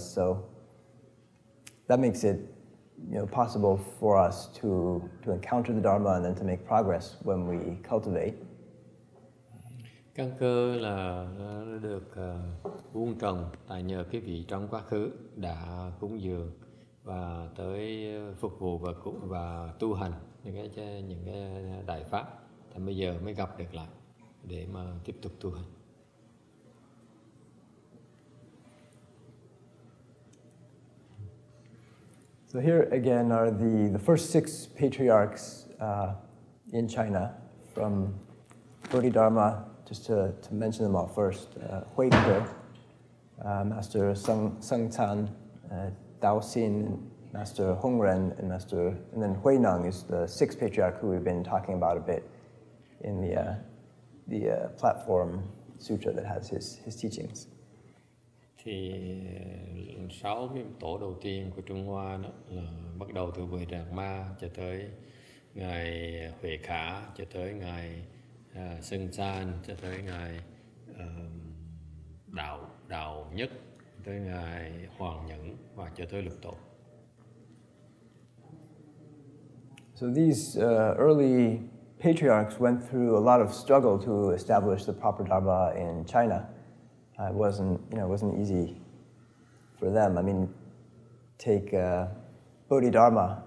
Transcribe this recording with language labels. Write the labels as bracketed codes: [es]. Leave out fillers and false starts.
[en] So that makes it, you know, possible for us to encounter the Dharma and then to make progress when we cultivate. [vi] Căn cơ là được vuông trồng tại nhờ cái vị trong quá khứ đã cúng dường và tới phục vụ và tu hành những cái đại pháp, thì bây giờ mới gặp được lại để mà tiếp tục tu hành. [en] So here again are the first six patriarchs in China, from Bodhidharma. Just to mention them all first, Huike, Master Seng Chan, Dao Xin, Master Hongren, and then Huineng is the sixth patriarch who we've been talking about a bit in the platform sutra that has his teachings. [vi] Thì sáu cái tổ đầu tiên của Trung Hoa đó là bắt đầu từ Bồ Đề Ma cho tới ngài Huệ Khả, cho tới ngài Seng Chan, cho tới ngài Đạo Nhất, tới ngài Hoàng Nhẫn và cho tới Lục Tổ. [en] So these early patriarchs went through a lot of struggle to establish the proper Dharma in China. It wasn't easy for them. I mean, take Bodhidharma.